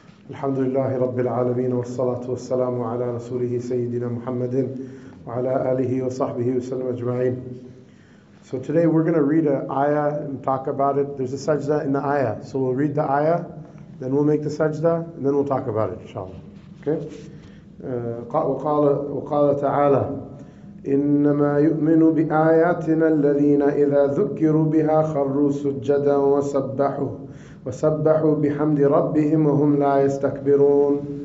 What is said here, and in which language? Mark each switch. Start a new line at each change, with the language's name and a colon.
Arabic: الحمد لله رب العالمين والصلاة والسلام على رسوله سيدنا محمد وعلى آله وصحبه وسلم أجمعين.
English: So today we're going to read an ayah and talk about it. There's a sajda in the ayah. So we'll read the ayah, then we'll make the sajda, and then we'll talk about it, inshallah. Okay?
Arabic: وقال تعالى إنما يؤمن بآياتنا الذين إذا ذكروا بها خروا سجدا وسبحوا وسبحوا بحمد ربهم وهم لا يستكبرون.